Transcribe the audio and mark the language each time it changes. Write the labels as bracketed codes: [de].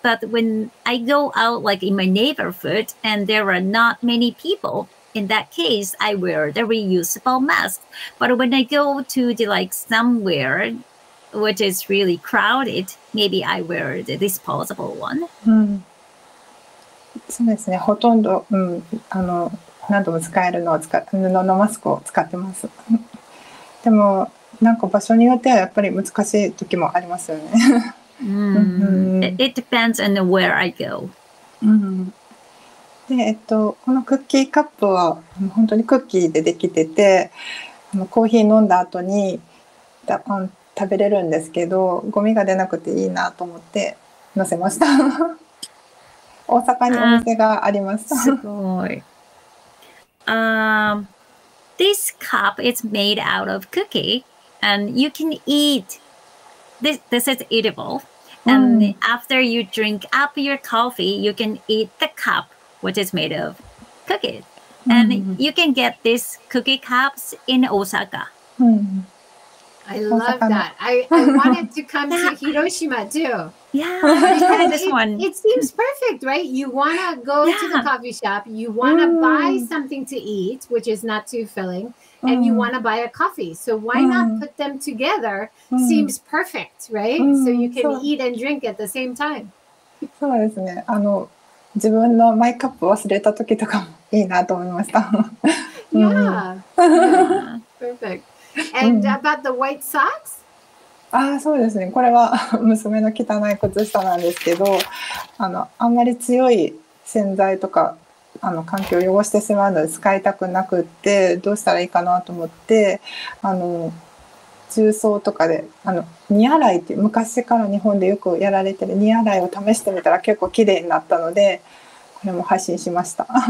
[en] But when I go out, like in my neighborhood, and there are not many people, in that case, I wear the reusable mask. But when I go to the like somewhere which is really crowded, maybe I wear the disposable one. Mm. [ja] そうですね、ほとんど、うん、何度も使えるのを使っ布のマスクを使ってますでもなんか場所によってはやっぱり難しい時もありますよね [en] It depends on where I go、 [ja] うん、でこのクッキーカップは本当にクッキーでできてて、コーヒー飲んだ後に食べれるんですけど、ゴミが出なくていいなと思って載せました大阪にお店がありました。すごい。 [en] This cup is made out of cookie, and you can eat. This is edible. And after you drink up your coffee, you can eat the cup, which is made of cookies. And you can get this cookie cups in Osaka. I love that. I wanted to come to Hiroshima too. Yeah, try this one. It seems perfect, right? You want to go to the coffee shop, you want to buy something to eat, which is not too filling, and you want to buy a coffee. So why not put them together? Seems perfect, right? So you can eat and drink at the same time. [ja] そうですね。自分のマイカップ忘れた時とかもいいなと思いました。 [en] Yeah. Perfect. And about the white socks? [ja] ああ、そうですね。これは娘の汚い靴下なんですけど、あんまり強い洗剤とか環境を汚してしまうので使いたくなくって、どうしたらいいかなと思って、重曹とかで荷洗いって昔から日本でよくやられてる荷洗いを試してみたら結構綺麗になったので、これも配信しました。